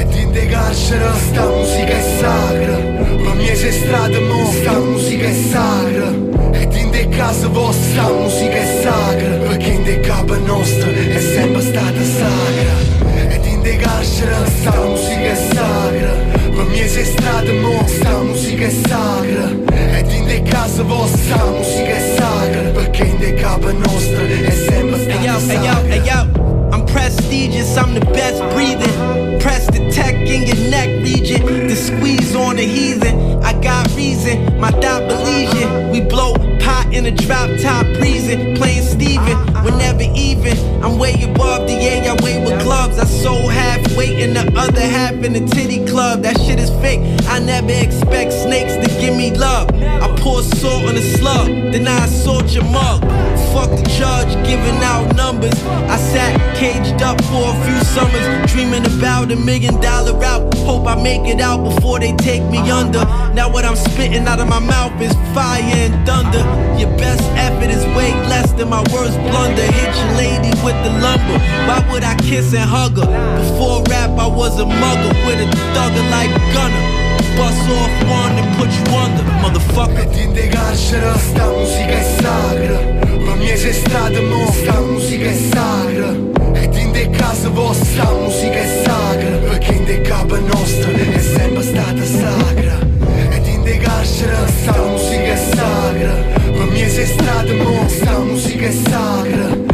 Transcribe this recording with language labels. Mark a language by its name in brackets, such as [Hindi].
[Neapolitan] è di in de carcere, sta musica è sacra, per mie se strade mo, sta musica è sacra, è di in de casa vostra, sta musica è sacra, perché in de capa nostra è sempre stata sacra. Sta musica è sacra, per mie se strade mo, sta musica è sacra, è in de casa vostra, sta musica è sacra, perché in de capa nostra è sempre stata sacra. [English] Hey yo, hey yo, hey yo, I'm prestigious, I'm the best breathing, press the tech in your neck region, the squeeze on the heathen, I got reason, my thought believes it, we blow hot in a drop top breezing, playing Steven, we're never even, I'm way above the air, I weigh with gloves, I sold half weight and the other half in the titty club, that shit is fake, I never expect snakes to give me love, I pour salt on a slug, then I assault your mug, fuck the judge, giving out numbers, I sat caged up for a few summers, dreaming about $1 million out, hope I make it out before they take me under, now what I'm spitting out of my mouth is fire and thunder. Your best effort is way less than my worst blunder. Hit your lady with the lumber. Why would I kiss and hug her? Before rap, I was a mugger with a thugger like Gunner. Bust off one and put you under, motherfucker. [Neapolitan] Ed in de carcere, sta musica è sacra. Per mie se strade mo, sta musica è sacra. Ed in de casa vostra, sta musica è sacra. Perché in de capa nostra è sempre stata sacra. Ed in de carcere, sta musica è sacra. Per mie se strade mo, sta musica è sacra.